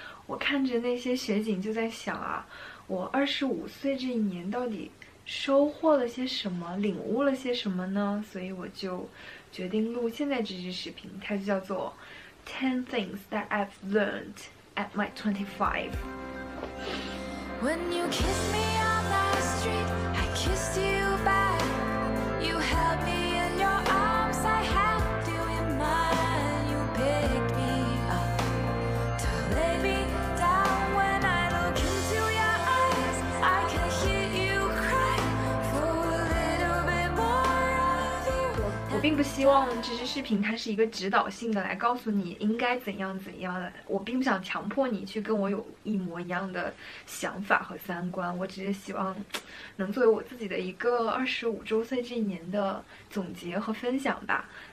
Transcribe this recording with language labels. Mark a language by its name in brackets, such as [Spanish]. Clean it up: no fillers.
[Chinese] 我看着那些雪景，就在想啊，我25岁这一年到底收获了些什么，领悟了些什么呢？所以我就决定录现在这支视频，它就叫做 [English] 《10 Things That I've Learned》。 At my 25. When you kissed me on the street, I kissed you back. You held me in your arms, I held you in mine. You picked me up to lay me down. When I look into your eyes, I can hear you cry for a little bit more of you. [Chinese] 我并不希望这支视频它是一个指导性的，来告诉你应该怎样怎样的。我并不想强迫你去跟我有一模一样的想法和三观，我只是希望能作为我自己的一个25周岁这一年的总结和分享吧。